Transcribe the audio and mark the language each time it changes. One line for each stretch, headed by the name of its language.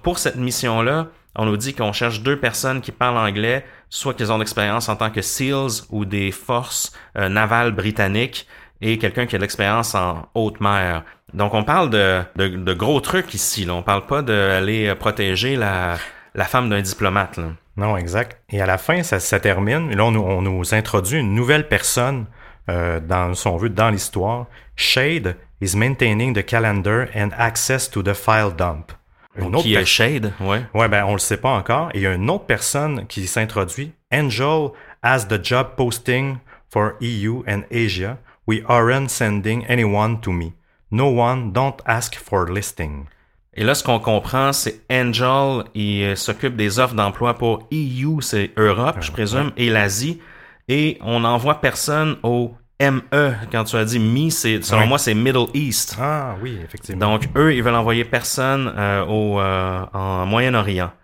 French: Pour cette mission-là, on nous dit qu'on cherche 2 personnes qui parlent anglais, soit qu'ils ont l'expérience en tant que SEALs ou des forces navales britanniques, et quelqu'un qui a de l'expérience en haute mer. Donc, on parle de gros trucs ici. Là. On parle pas d'aller protéger la femme d'un diplomate. Là. Non, exact. Et à la fin, ça termine. Et là, on nous introduit une nouvelle personne dans l'histoire.
English: Shade is maintaining the calendar and access to the file dump.
French: Est Shade, ouais. Ouais, ben on le sait pas encore. Et il y a une autre personne qui s'introduit.
English: Angel has the job posting for EU and Asia. We aren't sending anyone to me. No one, don't ask for listing.
French: Et là, ce qu'on comprend, c'est Angel, il s'occupe des offres d'emploi pour EU, c'est Europe, je présume, et l'Asie. Et on n'envoie personne au ME. Quand tu as dit « me », selon moi, c'est «
English: Middle East ».
French: Ah oui, effectivement. Donc, eux, ils veulent envoyer personne en Moyen-Orient.